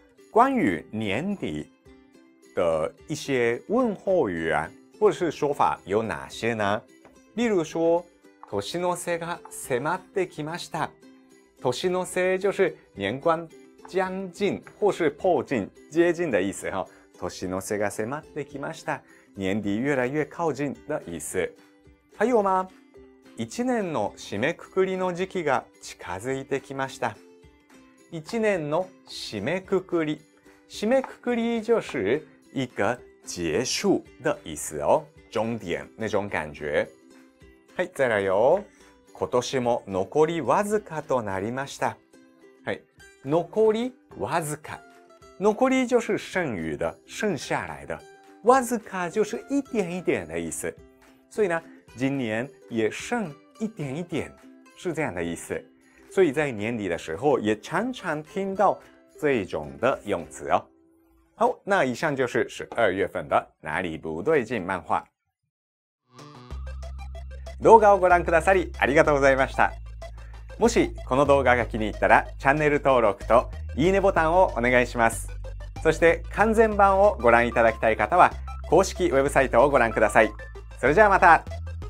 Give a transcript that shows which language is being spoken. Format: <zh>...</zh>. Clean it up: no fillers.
<zh>关于年底的一些问候语啊或者是说法有哪些呢？</zh> <ja>例如说，年の瀬が迫ってきました。</ja> <zh>年の瀬就是年关将近或是迫近、接近的意思哈。</zh> <ja>年の瀬が迫ってきました。</ja> <zh>年底越来越靠近的意思。还有吗？</zh> <ja>一年の締めくくりの時期が近づいてきました。一年の締めくくり、締めくくり</ja> <zh>就是一个结束的意思哦，终点那种感觉。はい、再来よ。</zh> <ja>今年も残りわずかとなりました。はい、残りわずか。</ja> <zh>残り就是剩余的、剩下来的。わずか就是一点一点的意思。所以呢，今年也剩一点一点，是这样的意思。所以在年底的时候也常常听到这种的用词哦。好，那以上就是12月份的哪里不对劲漫画。</zh> <ja>動画をご覧くださりありがとうございました。もしこの動画が気に入ったらチャンネル登録といいねボタンをお願いします。そして完全版をご覧いただきたい方は公式ウェブサイトをご覧ください。それじゃあまた。</ja>